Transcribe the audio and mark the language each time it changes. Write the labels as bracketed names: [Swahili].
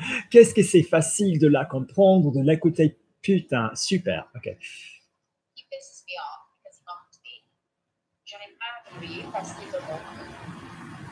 [French] Qu'est-ce que c'est facile de la comprendre, de l'écouter? Putain, super. Okay. [English] He pisses me off because he bumped me. [French] J'en ai marre de lui parce qu'il me manque.